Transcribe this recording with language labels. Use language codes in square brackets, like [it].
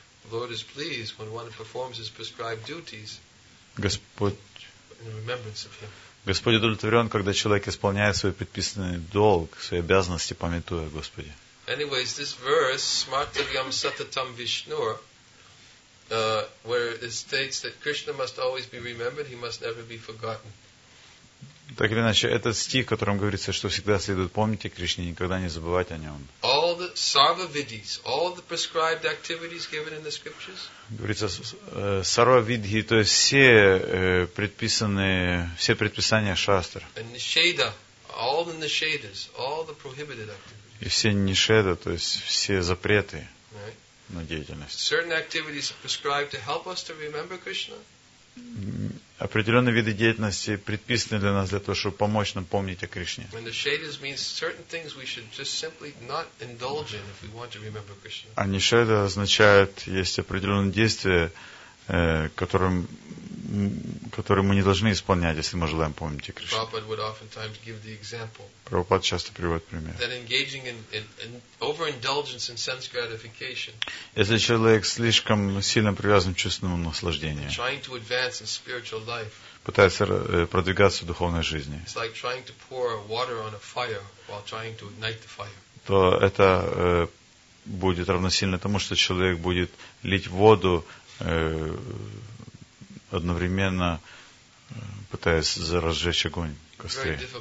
[en] Lord is pleased when one performs his prescribed duties. [ru] Господь, [en] in remembrance of him. [ru] Господь удовлетворен, когда человек исполняет свой предписанный долг, свои обязанности, памятуя о Господе. [en] Anyways, this verse, [sa] Smartavyam Satatam Vishnur, [en] where it states that Krishna must always be remembered, he must never be forgotten. [ru] Так или иначе, этот стих, в котором говорится, что всегда следует помнить о Кришне, никогда не забывать о нем. [en] All the sarvavidhis, all the prescribed activities given in the scriptures. [ru] Говорится, sarvavidhi, то есть все предписанные, все предписания шастр. [en] And nisheda, all the nishedas, all the prohibited activities. [ru] И все нишеда, то есть все запреты на деятельность. [en] Certain activities are prescribed to help us to remember Krishna. [ru] Определенные виды деятельности предписаны для нас для того, чтобы помочь нам помнить о Кришне. [en] When the shadas means certain things we should just simply not indulge in if we want to remember Krishna. [ru] А нишеда означает, есть определенные действия, которые мы не должны исполнять, если мы желаем помнить о Кришне. [en] Prabhupada would oftentimes give the example. [ru] Прабхупада часто приводит пример. [en] That engaging in overindulgence in sense gratification. [ru] Если человек слишком сильно привязан к чувственному наслаждению. [en] Trying to advance in spiritual life. [ru] Пытается продвигаться в духовной жизни. [en] It's like trying to pour water on a fire while trying to ignite the fire. [ru] То это будет равносильно тому, что человек будет лить воду одновременно пытаясь разжечь огонь костры.